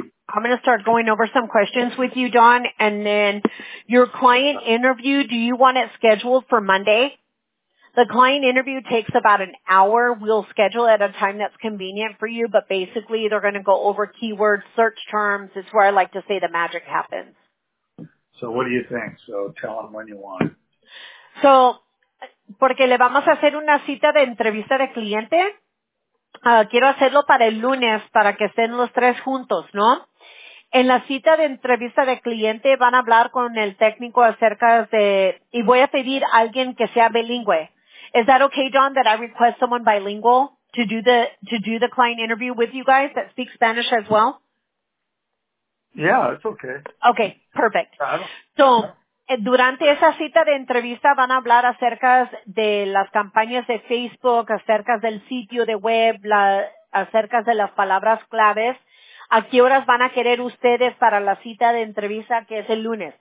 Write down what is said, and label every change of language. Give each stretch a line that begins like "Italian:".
English: I'm going to start going over some questions with you, Don, and then your client interview, do you want it scheduled for Monday? The client interview takes about an hour. We'll schedule it at a time that's convenient for you, but basically they're going to go over keywords, search terms. It's where I like to say the magic happens. So what do you think? So tell them when you want.
Spanish: So, porque le vamos a hacer una cita de entrevista de cliente. Quiero hacerlo para el lunes, para que estén los tres juntos, ¿no? En la cita de entrevista de cliente van a hablar con el técnico acerca de, y voy a pedir a alguien que sea bilingüe.
English: Is that okay, Don, that I request someone bilingual to do the client interview with you guys that speaks Spanish as well? Yeah, it's okay. Okay, perfect.
Spanish: So, durante esa cita de entrevista van a hablar acerca de las campañas de Facebook, acerca del sitio de web, acerca de las palabras claves. ¿A qué horas van a querer ustedes para la cita de entrevista que es el lunes?